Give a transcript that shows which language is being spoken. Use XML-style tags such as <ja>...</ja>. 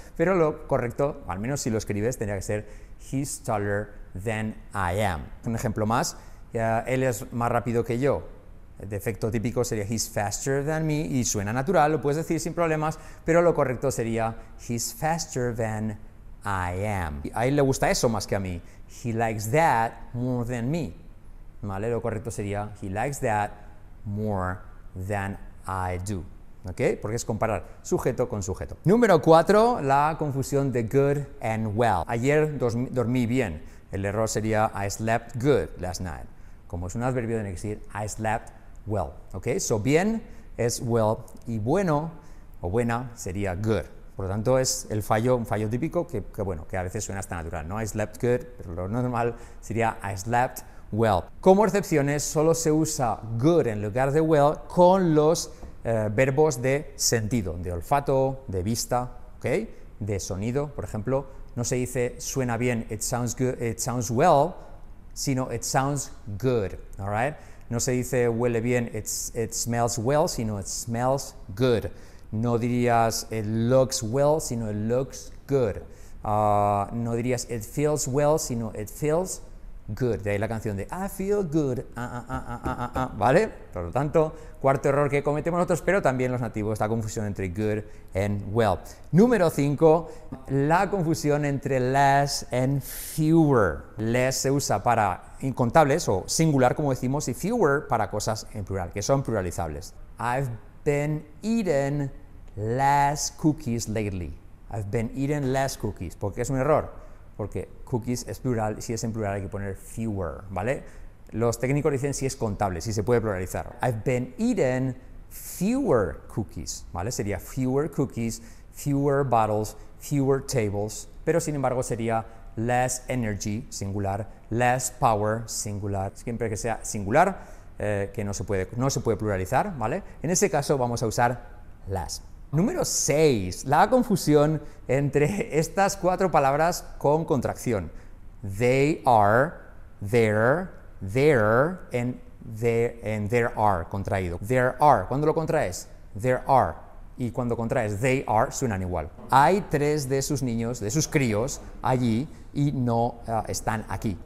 <es>Pero lo correcto, al menos si lo escribes, tendría que ser</es> <en>he's taller than I am.</en> <es>Un ejemplo más, él es más rápido que yo. El defecto típico sería</es> <en>he's faster than me</en> <es>y suena natural, lo puedes decir sin problemas, pero lo correcto sería</es> <en>he's faster than I am.</en> <es>A él le gusta eso más que a mí.</es> <en>He likes that more than me.</en> <es>¿Vale? Lo correcto sería</es> <en>he likes that more than I do.</en> <es>¿Ok? Porque es comparar sujeto con sujeto. Número 4, la confusión de</es> <en>good and well.</en> <es>Ayer dormí bien. El error sería</es> <en>I slept good last night.</en> <es>Como es un adverbio, tiene que decir</es> <en>I slept well,</en> <es>¿ok? So, bien es well y bueno o buena sería good. Por lo tanto, es el fallo, un fallo típico que bueno, que a veces suena hasta natural, ¿no?</es> <en>I slept good,</en> <es>pero lo normal sería</es> <en>I slept well.</en> <es>Como excepciones, solo se usa good en lugar de well con los verbos de sentido, de olfato, de vista, ¿ok? De sonido, por ejemplo, no se dice suena bien,</es> <en>it sounds good, it sounds well, sino it sounds good, all right?</en> <es>No se dice huele bien,</es> <en>it smells well,</en> <es>sino</es> <en>it smells good.</en> <es>No dirías</es> <en>it looks well, sino it looks good.</en> <es>No dirías</es> <en>it feels well, sino it feels good.</en> <es>De ahí la canción de</es> <en>I feel good,</en> <es>¿vale? Por lo tanto, cuarto error que cometemos nosotros, pero también los nativos, la confusión entre</es> <en>good and well.</en> <es>Número 5, la confusión entre</es> <en>less and fewer.</en> <es>Less se usa para incontables o singular, como decimos, y fewer para cosas en plural, que son pluralizables.</es> <en>I've been eating less cookies lately. I've been eating less cookies.</en> <es>¿Por qué es un error? porque cookies es plural, si es en plural hay que poner fewer, ¿vale? Los técnicos dicen si es contable, si se puede pluralizar. I've been eating fewer cookies,</es> <en>¿vale?</en> <es>Sería</es> <en>fewer cookies, fewer bottles, fewer tables,</en> <es>pero sin embargo sería</es> <en>less energy,</en> <es>singular,</es> <en>less power,</en> <es>singular, siempre que sea singular, que no se puede pluralizar, ¿vale? En ese caso vamos a usar less. Número 6, la confusión entre estas cuatro palabras con contracción.</es> <en>They are, there, there, and there are, contraído. There are,</en> <es>¿cuándo lo contraes? There are. Y cuando contraes</es> <en>they are,</en> <es>suenan igual. Hay tres de sus niños, de sus críos, allí y no están aquí.</es>